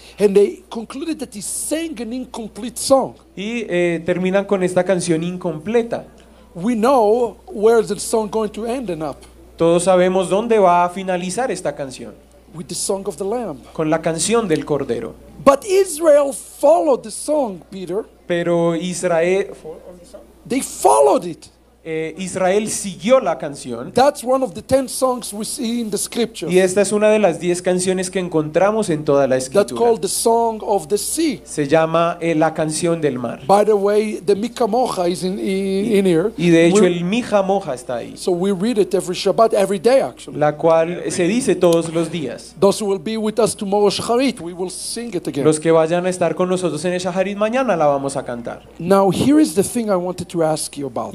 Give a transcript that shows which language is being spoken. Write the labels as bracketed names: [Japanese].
[English] And they concluded that he sang an incomplete song. [Spanish] Y terminan con esta canción incompleta. [English] We know where the song going to end and up. [Spanish] Todos sabemos dónde va a finalizar esta canción. [English] With the song of the Lamb. [Spanish] Con la canción del Cordero. [English] But Israel followed the song, Peter. [Spanish] Pero Israel. [English] They followed it. [Spanish] Israel siguió la canción. [English] That's one of the 10 songs we see in the scriptures. [Spanish] Y esta es una de las 10 canciones que encontramos en toda la escritura. [English] That's called the song of the sea. [Spanish] Se llama la canción del mar. [English] By the way, the Mija Moja is in here. [Spanish] Y de hecho el Mija Moja está ahí. [English] So we read it every Shabbat, every day actually. [Spanish] La cual se dice todos los días. [English] Those who will be with us tomorrow Shacharit, we will sing it again. [Spanish] Los que vayan a estar con nosotros en el Shacharit mañana la vamos a cantar. [English] Now here is the thing I wanted to ask you about.